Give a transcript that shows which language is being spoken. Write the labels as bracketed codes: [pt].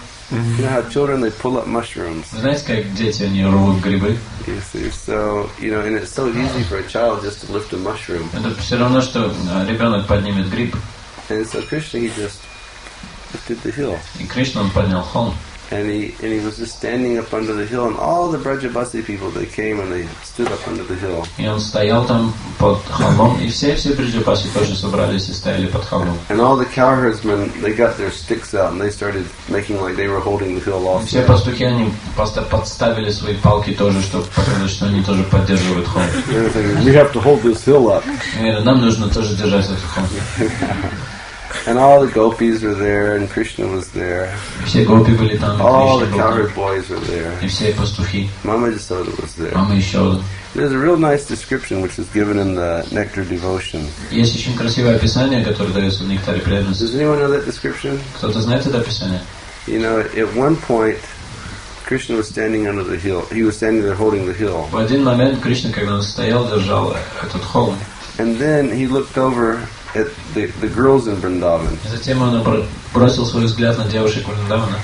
[en] You know how children, they pull up mushrooms. [ru] Знаешь, как дети, они рвут грибы? [en] You see, so, you know, and it's so easy for a child just to lift a mushroom. [ru] Это все равно, что ребенок поднимет гриб. [en] And so Krishna, he just lifted the hill. [ru] И Кришна, он поднял холм. [en] And he was just standing up under the hill, and all the Brajabasi people, they came and they stood up under the hill. [ru] И он стоял там под холмом, и все Брajabasi тоже собрались и стояли под холмом. [en] And all the cowherdsmen, they got their sticks out and they started making like they were holding the hill off. [ru] Все пастухи, они просто подставили свои палки тоже, чтобы показать, что они тоже поддерживают холм. [en] We have to hold this hill up. [ru] Нам нужно тоже держать этот холм. [en] And all the gopis were there, and Krishna was there. [ru] Все гопи были там. [en] All the cowherd boys were there. [ru] И все пастухи. [en] Mama Yashoda was there. [ru] Мама Ясода. [en] There's a real nice description which is given in the Nectar Devotion. [ru] Есть очень красивое описание, которое дается в Нектаре Преданности. [en] Does anyone know that description? [ru] Кто-то знает это описание? [en] You know, at one point, Krishna was standing under the hill. He was standing there holding the hill. [ru] В один момент Кришна, когда он стоял, держал этот холм. [en] And then he looked over at the girls in Vrindavan. [ru] Затем он бросил свой взгляд на девушек Вриндавана.